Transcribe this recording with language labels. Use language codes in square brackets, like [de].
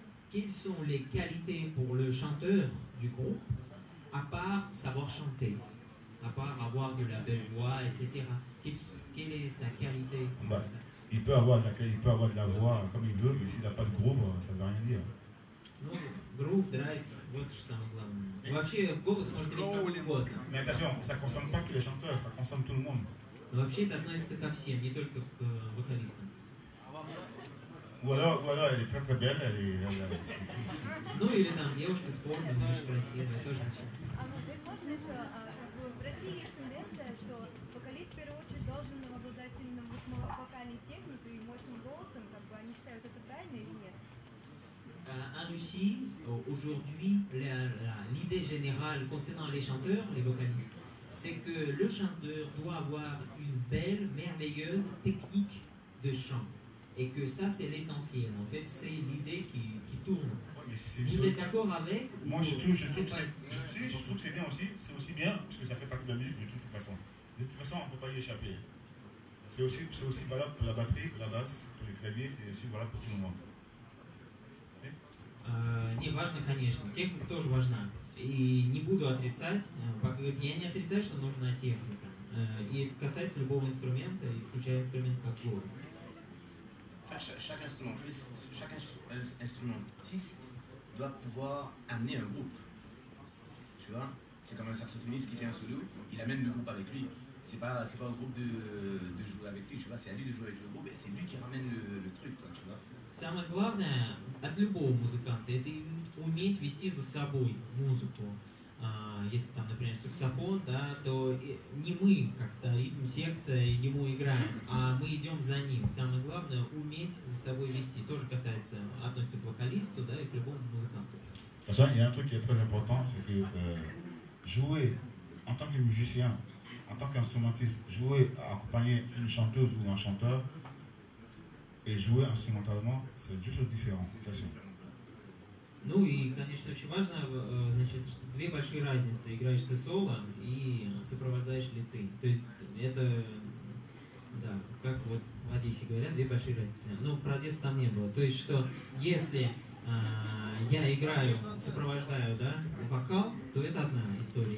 [fr] Quelles sont les qualités pour le chanteur du groupe, à part savoir chanter, à part avoir de la belle voix, etc. Quelle est sa qualité? Il peut avoir de la voix comme il veut, mais s'il n'a pas de groove, ça ne veut rien dire. [ru] Ну, groove, drive, вот что самое главное. Вообще, голос может быть как угодно. [fr] Mais attention, ça ne concerne pas que les chanteurs, ça concerne tout le monde. [ru] Вообще, это относится ко всем, не только к вокалистам. [fr] Ou alors, elle est très très belle, elle est... [ru] Ну, или там девушка спорная, она очень красивая, тоже ничего. А вот здесь можно еще, в России есть тенденция, что вокалист, в первую очередь, должен обладать именно вокальной техникой и мощным голосом, как бы они считают это правильно или нет? [fr] En Russie, aujourd'hui, l'idée générale concernant les chanteurs, les vocalistes, c'est que le chanteur doit avoir une belle, merveilleuse technique de chant. Et que ça, c'est l'essentiel. En fait, c'est l'idée qui tourne. Vous êtes d'accord avec? Moi, je trouve que c'est bien aussi. C'est aussi bien, parce que ça fait partie de la musique, de toute façon. De toute façon, on ne peut pas y échapper. C'est aussi valable pour la batterie, pour la basse, pour les claviers, c'est aussi valable pour tout le monde. [ru] Не важно, конечно. Техника тоже важна. И не буду отрицать, я не отрицаю, что нужна техника. И это касается любого инструмента, включая инструмент как голос. [fr] Enfin, chaque instrumentiste doit pouvoir amener un groupe. Tu vois, c'est comme un saxophoniste qui fait un solo, il amène le groupe avec lui. C'est pas au groupe de jouer avec lui, tu vois, c'est à lui de jouer avec le groupe, et c'est lui qui ramène le truc, quoi, tu vois. [ru] Самое главное от любого музыканта — это уметь вести за собой музыку. Если там, например, саксофон, да, то не мы как-то ритм-секция ему играем, а мы идем за ним. Самое главное — уметь за собой вести. Тоже касается, относится к вокалисту, да, и к любому музыканту. [fr] Il y a un truc qui est très important, c'est que jouer en tant que musicien, en tant qu'instrumentiste, jouer accompagner une chanteuse ou un chanteur. Et jouer instrumentalement, c'est deux choses différentes. [ru] Ну и, конечно, очень важно, значит, две большие разницы: играешь ты соло и сопровождаешь ли ты. То есть это, да, как вот в Одессе говорят, две большие разницы. Ну, про Одессу там не было. То есть что, если я играю, сопровождаю, да, вокал, то это одна история.